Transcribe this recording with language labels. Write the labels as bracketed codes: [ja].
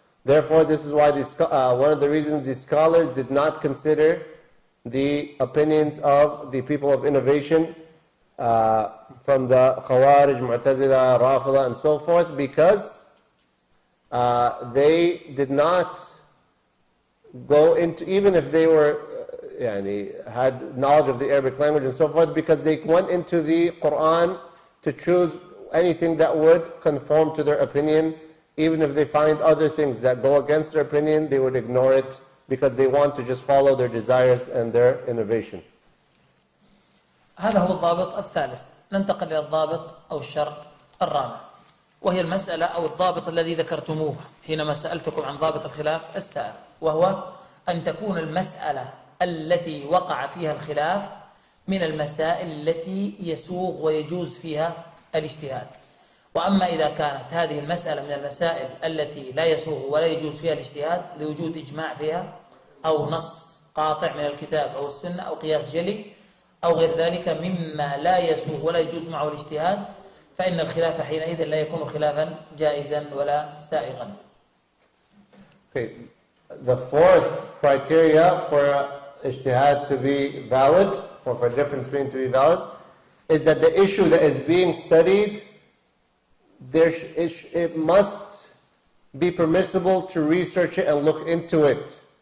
[en] Therefore, this is why one of the reasons these scholars did not consider the opinions of the people of innovation from the Khawarij, Mu'tazila, Rafila, and so forth, because they did not go into, even if they were had knowledge of the Arabic language and so forth, because they went into the Quran to choose anything that would conform to their opinion. Even if they find other things that go against their opinion, they would ignore it because they want to just follow their desires and their innovation. [ar] هذا هو الضابط الثالث. ننتقل إلى الضابط أو الشرط الرابع، وهي المسألة أو الضابط الذي ذكرتموه حينما سألتكم عن ضابط الخلاف السائر، وهو أن تكون المسألة التي وقع فيها الخلاف من المسائل التي يسوغ ويجوز فيها الاجتهاد. وأما إذا كانت هذه المسألة من المسائل التي لا يسوغ ولا يجوز فيها الاجتهاد لوجود إجماع فيها أو نص قاطع من الكتاب أو السنة أو قياس جلي أو غير ذلك مما لا يسوغ ولا يجوز معه الاجتهاد، فإن الخلاف حينئذ لا يكون خلافا جائزا ولا سائغا. [en] The fourth criteria for ijtihad to be valid, or for a different screen to be valid, is that the issue that is being studied, it must be permissible to research it and look into it.